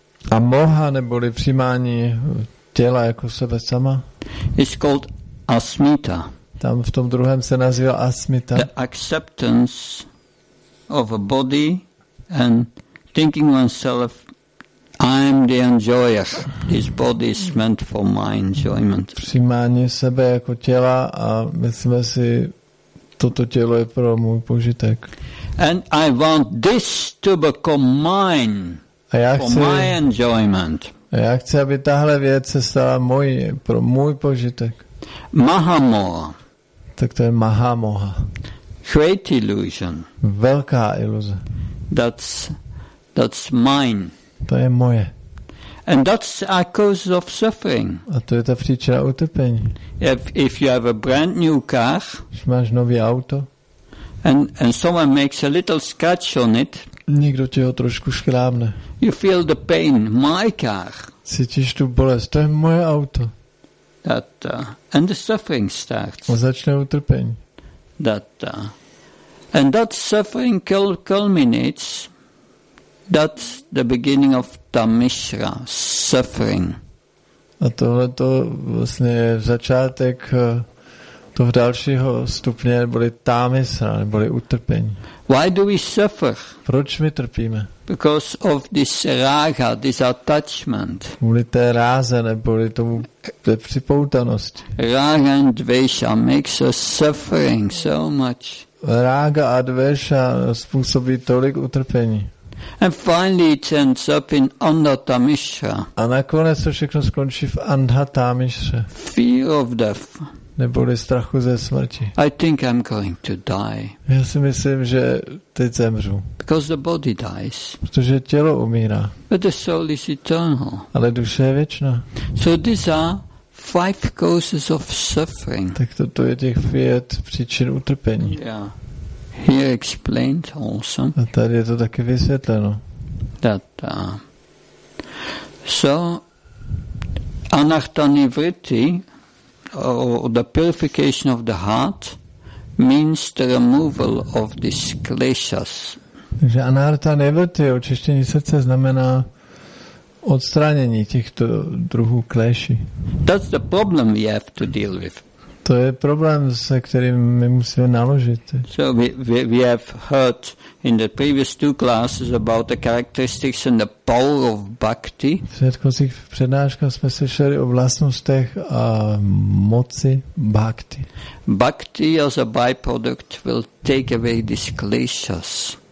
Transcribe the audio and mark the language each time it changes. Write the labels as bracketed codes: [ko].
[cs] A moha neboli přijímání těla jako sebe sama. [en] Is called asmita. [cs] Tam v tom druhém se nazývá asmita. [en] The acceptance of a body and thinking oneself, I am the enjoyer. This body is meant for my enjoyment. [cs] Přijímání sebe jako těla a myslím si. Toto tělo je pro můj požitek. [en] And I want this to become mine. [cs] Chci, [en] for my enjoyment. [cs] A já chci, aby tahle věc se stala můj, pro můj požitek. [sa] Mahamoha. [cs] Tak to je Mahamoha. [en] Great illusion. [cs] Velká iluze. [en] That's mine. [cs] To je moje. [en] And that's a cause of suffering. [cs] A to je ta příčina utrpení. [en] If you have a brand new car, [cs] když máš nový auto, [en] and someone makes a little scratch on it, [cs] někdo tě ho trošku škrábne. [en] You feel the pain, my car. [cs] Cítíš tu bolest, to je moje auto. [en] That, and the suffering starts. [cs] A začne utrpení. [en] That, and that suffering culminates. That's the beginning of tamisra, suffering. [cs] A tohle to vlastně je začátek toho dalšího stupně, neboli tamisra, neboli utrpení. [en] Why do we suffer? [cs] Proč my trpíme? [en] Because of this raga, this attachment. [cs] Kvůli té ráze, neboli tomu té připoutanosti. [en] Raga and dvesha makes us suffering so much. [cs] Raga a dvesha způsobí tolik utrpení. [en] And finally it ends up in Andhata Mishra. [cs] A nakonec to všechno skončí v Andhata Mishra. [en] Fear of death. [cs] Neboli strachu ze smrti. [en] I think I'm going to die. [cs] Já si myslím, že teď zemřu. [en] Because the body dies. [cs] Protože tělo umírá. [en] But the soul is eternal. [cs] Ale duše je věčná. [en] So these are five causes of suffering. [cs] Tak toto je těch pět příčin utrpení. [en] Yeah. Here explained also. [cs] A tady je to taky vysvětleno. [en] That, so anatta nivritti or the purification of the heart means the removal of these kleshas. [cs] Takže anatta nivritti, očištění srdce, znamená odstranění těchto druhů kleší. [en] That's the problem we have to deal with. [cs] To je problém, se kterým my musíme naložit. [en] So we have heard in the previous two classes about the characteristics and the power of bhakti. [cs] V předchozích přednáškách jsme slyšeli o vlastnostech a moci bhakti. [en] Bhakti as a byproduct will take away these kleshas.